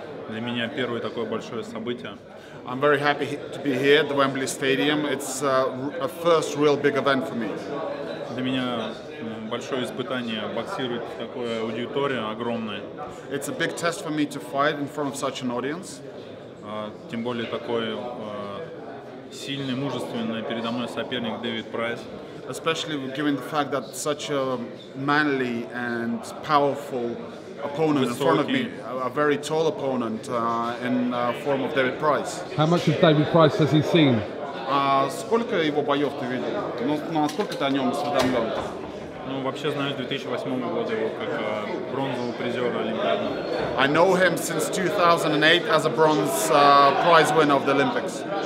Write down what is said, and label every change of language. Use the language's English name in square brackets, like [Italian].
[Russian] меня первое такое большое событие. [English] I'm very happy to be here at the Wembley Stadium. It's a first real big event for me. [Russian] Для меня большое испытание боксировать в такой аудитории огромной. [English] It's a big test for me to fight in front of such an audience. [Russian] Тем более такой сильный, мужественный передо мной соперник Дэвид Прайс. [English] Especially given the fact that such a manly and powerful opponent in front of me, a very tall opponent in form of David Price. How much of David Price has he seen? [Russian] Сколько его боев ты видел? Ну, насколько ты о нем осведомлен? Ну, вообще знаю с 2008 года его как бронзового призера Олимпиады. [English] I know him since 2008 as a bronze prize winner of the Olympics.